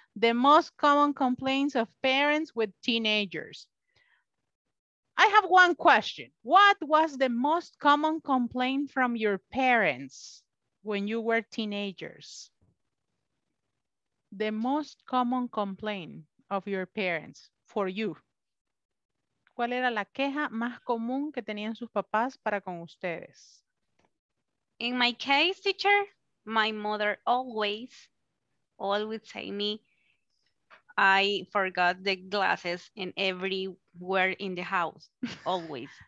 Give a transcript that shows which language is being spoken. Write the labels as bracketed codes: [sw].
[en] The most common complaints of parents with teenagers. I have one question. What was the most common complaint from your parents when you were teenagers? The most common complaint of your parents for you. [es] ¿Cuál era la queja más común que tenían sus papás para con ustedes? [en] In my case, teacher, my mother always say me, I forgot the glasses in everywhere in the house, always.